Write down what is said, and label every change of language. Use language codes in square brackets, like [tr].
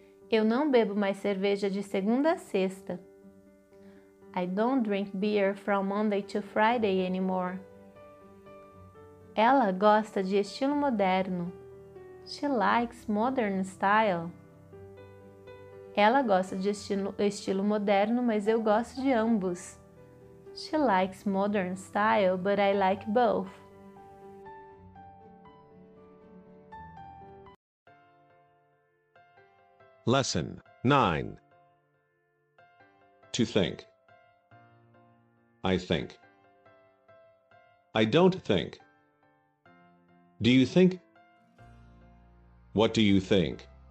[pt] Eu não bebo mais cerveja de segunda a sexta. [en] I don't drink beer from Monday to Friday anymore. [pt] Ela gosta de estilo moderno. [en] She likes modern style. [pt] Ela gosta de estilo moderno, mas eu gosto de ambos. [en] She likes modern style, but I like both. Lesson 9. To think. I think. I don't think. Do you think? What do you think?